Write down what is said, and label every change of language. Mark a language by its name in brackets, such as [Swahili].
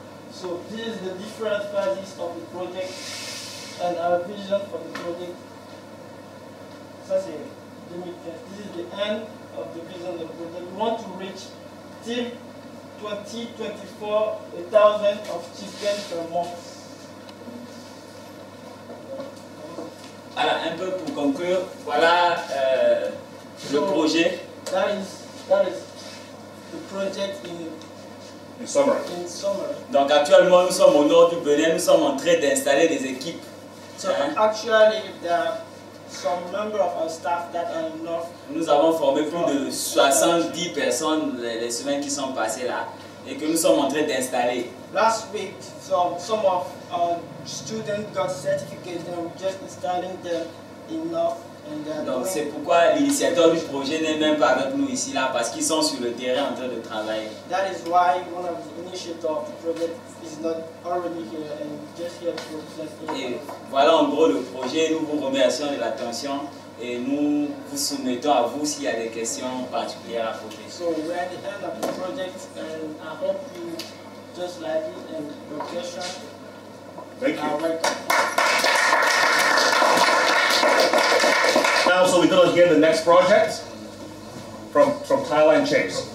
[English] So this is the different phases of the project and our vision for the project. This is the end of the vision of the project. We want to reach till 2024 1,000 of chicken per month. [French] Alors, un peu pour conclure, voilà le projet. [English] That is the project in summary. In summary. [French] Donc actuellement, nous sommes au nord du Bénin, nous sommes en train d'installer des équipes. [English] So actually, there are some number of our staff that are in north. [French] Nous avons formé plus de 70 personnes les semaines qui sont passées là et que nous sommes en train d'installer. [English] Last week, some of our students got certificates and we're just installing them in north. [French] Donc c'est pourquoi l'initiateur du projet n'est même pas avec nous ici là parce qu'ils sont sur le terrain en train de travailler. [English] That is why one of the initiators of the project is not already here and just here to [French] just. Et voilà en gros le projet. Nous vous remercions de l'attention et nous vous soumettons à vous s'il y a des questions particulières à poser. [English] So we're at the end of the project and I hope you just like it and your questions. Thank you. Now, so we're going to get the next project from Thailand Chase.